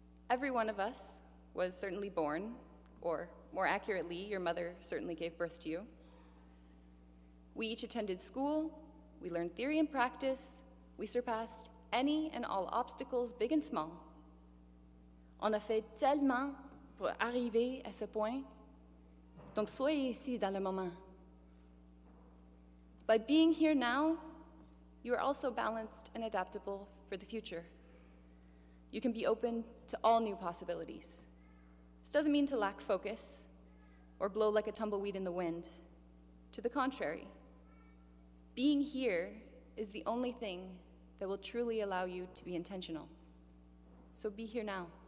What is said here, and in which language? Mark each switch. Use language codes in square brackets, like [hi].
[en] Every one of us was certainly born, or more accurately, your mother certainly gave birth to you. We each attended school, we learned theory and practice, we surpassed any and all obstacles, big and small. [fr] On a fait tellement pour arriver à ce point, donc soyez ici dans le moment. [en] By being here now, you are also balanced and adaptable for the future. You can be open to all new possibilities. This doesn't mean to lack focus or blow like a tumbleweed in the wind. To the contrary, being here is the only thing that will truly allow you to be intentional. So be here now.